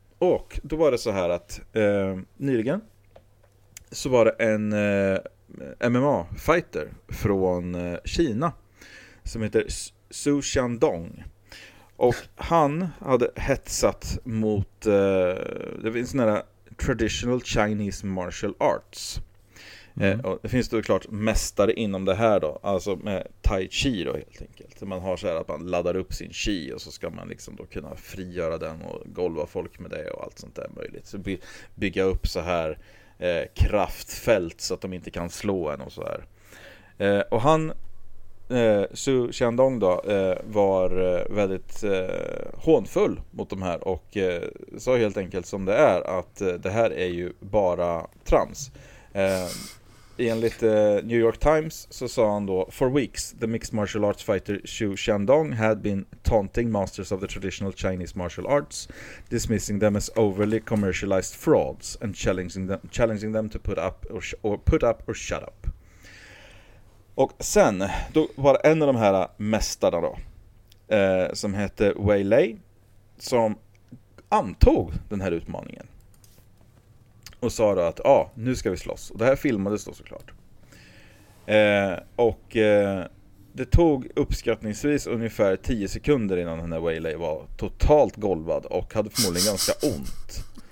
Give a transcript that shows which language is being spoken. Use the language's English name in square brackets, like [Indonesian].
[Swedish] Och då var det så här att nyligen så var det en MMA-fighter från Kina som heter Su Shandong. Och han hade hetsat mot, det finns en sån här [English] Traditional Chinese Martial Arts. [Swedish] Och det finns då klart mästare inom det här då, alltså med tai chi då helt enkelt. Man har så här att man laddar upp sin chi och så ska man liksom då kunna frigöra den och golva folk med det och allt sånt där möjligt. Så bygga upp så här kraftfält så att de inte kan slå en och så här. Och han Su Xiandong då var väldigt hånfull mot de här och sa helt enkelt som det är att det här är ju bara trams. Enligt New York Times så sa han då: [English] "For weeks, the mixed martial arts fighter Su Xiandong had been taunting masters of the traditional Chinese martial arts, dismissing them as overly commercialized frauds and challenging them to put up or shut up. [Swedish] Och sen då var en av de här mästarna då som hette Wei Lei som antog den här utmaningen och sa då att nu ska vi slåss. Och det här filmades då såklart. Och det tog uppskattningsvis ungefär 10 sekunder innan den här Wei Lei var totalt golvad och hade förmodligen ganska ont.